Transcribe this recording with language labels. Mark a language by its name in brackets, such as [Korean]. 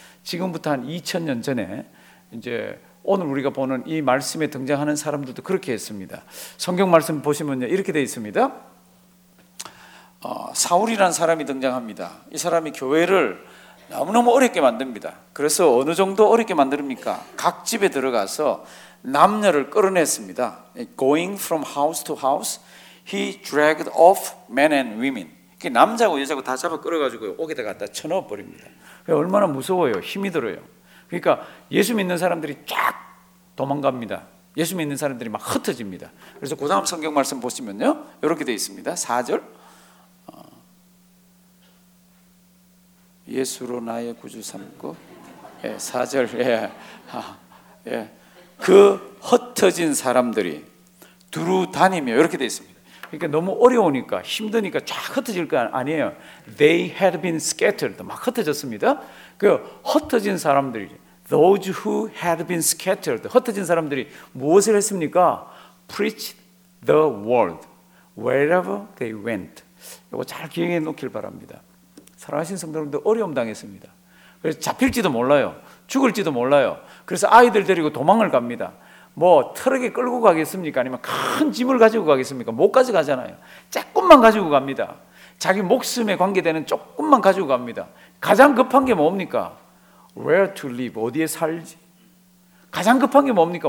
[Korean] 지금부터 한 2000년 전에 이제 오늘 우리가 보는 이 말씀에 등장하는 사람들도 그렇게 했습니다. 성경 말씀 보시면 이렇게 되어 있습니다. 사울이라는 사람이 등장합니다. 이 사람이 교회를 너무너무 어렵게 만듭니다. 그래서 어느 정도 어렵게 만듭니까? 각 집에 들어가서 남녀를 끌어냈습니다. [English] Going from house to house, he dragged off men and women. [Korean] 남자고 여자고 다 잡아 끌어가지고 옥에다 갖다 쳐넣어버립니다. 얼마나 무서워요. 힘이 들어요. 그러니까 예수 믿는 사람들이 쫙 도망갑니다. 예수 믿는 사람들이 막 흩어집니다. 그래서 그 다음 성경 말씀 보시면요. 이렇게 되어 있습니다. 4절. 예수로 나의 구주 삼고 예, 4절 예. 예. 그 흩어진 사람들이 두루 다니며 이렇게 되어 있습니다. 그러니까 너무 어려우니까 힘드니까 쫙 흩어질 거 아니에요. [English] They had been scattered. [Korean] 막 흩어졌습니다. 그 흩어진 사람들이 [English] Those who had been scattered. [Korean] 흩어진 사람들이 무엇을 했습니까? [English] Preached the word wherever they went. [Korean] 이거 잘 기억해 놓길 바랍니다. 사랑하신 성도들도 어려움 당했습니다. 그래서 잡힐지도 몰라요. 죽을지도 몰라요. 그래서 아이들 데리고 도망을 갑니다. 뭐 트럭에 끌고 가겠습니까? 아니면 큰 짐을 가지고 가겠습니까? 못 가져가잖아요. 조금만 가지고 갑니다. 자기 목숨에 관계되는 조금만 가지고 갑니다. 가장 급한 게 뭡니까? [English] Where to live? [Korean] 어디에 살지? 가장 급한 게 뭡니까?